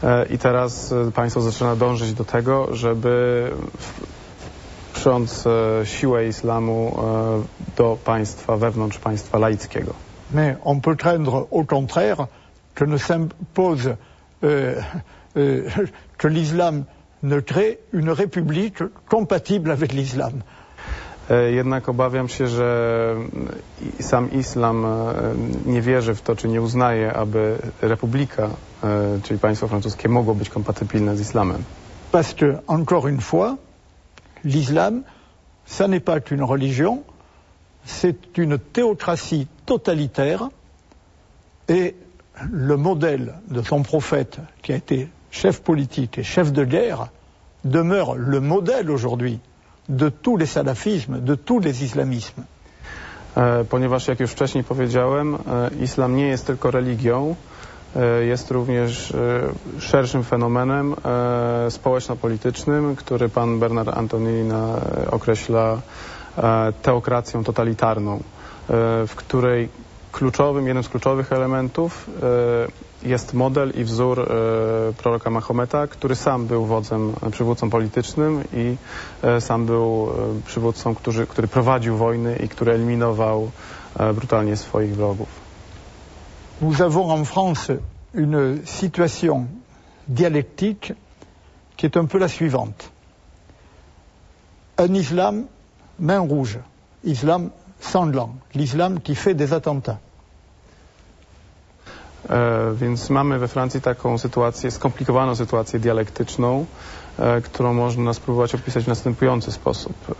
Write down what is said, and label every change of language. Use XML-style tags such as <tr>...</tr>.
<pl>I teraz państwo zaczyna dążyć do tego, żeby przyjąć siłę islamu do państwa, wewnątrz państwa laickiego.</pl> <fr>Mais on peut craindre au contraire que ne s'impose que l'islam ne crée une république compatible avec l'islam.</fr> <pl>Jednak obawiam się, że sam islam nie wierzy w to, czy nie uznaje, aby republika, czyli państwo francuskie, mogło być kompatybilne z islamem.</pl> <fr>Parce que, encore une fois, l'islam, ça n'est pas qu'une religion. C'est une théocratie totalitaire et le modèle de son prophète qui a été chef politique et chef de guerre demeure le modèle aujourd'hui de tous les salafismes, de tous les islamismes.</fr> <pl>Ponieważ, jak już wcześniej powiedziałem, islam nie jest tylko religią, jest również szerszym fenomenem społeczno-politycznym, który pan Bernard Antonina określa teokracją totalitarną, w której jednym z kluczowych elementów jest model i wzór proroka Mahometa, który sam był wodzem, przywódcą politycznym i sam był przywódcą, który prowadził wojny i który eliminował brutalnie swoich wrogów.</pl> <fr>Nous avons en France une situation dialectique qui est un peu la suivante. Un islam main rouge, islam sanglant, l'islam qui fait des attentats.</fr> <pl>Więc mamy we Francji taką sytuację, skomplikowaną sytuację dialektyczną, którą można spróbować opisać w następujący sposób.</pl>